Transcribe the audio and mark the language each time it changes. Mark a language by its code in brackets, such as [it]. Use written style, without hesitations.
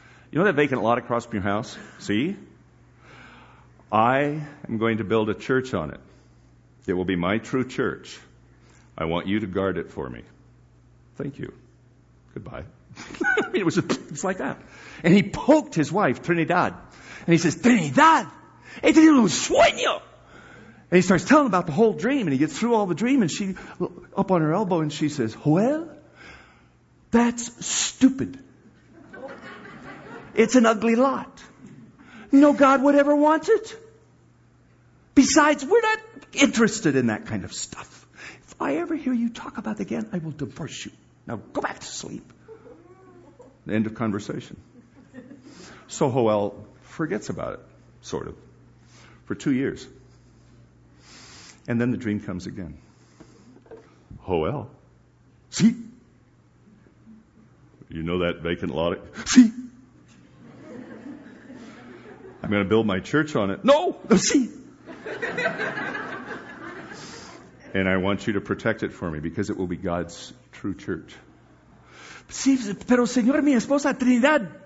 [en] You know that vacant lot across from your house? See? I am going to build a church on it. It will be my true church. I want you to guard it for me. Thank you. Goodbye. I mean, it's like that. And he poked his wife, Trinidad. [es] And he says, Trinidad, he tenido un sueño. [en] And he starts telling about the whole dream. And he gets through all the dream. And she, up on her elbow, and she says, Joel, that's stupid. It's an ugly lot. No God would ever want it. Besides, we're not interested in that kind of stuff. If I ever hear you talk about it again, I will divorce you. Now go back to sleep. End of conversation. So Joel forgets about it, sort of, for 2 years. And then the dream comes again. Joel, see? You know that vacant lot? See? I'm going to build my church on it. No! See? And I want you to protect it for me because it will be God's true church. [es] Sí, pero señor, mi esposa, Trinidad.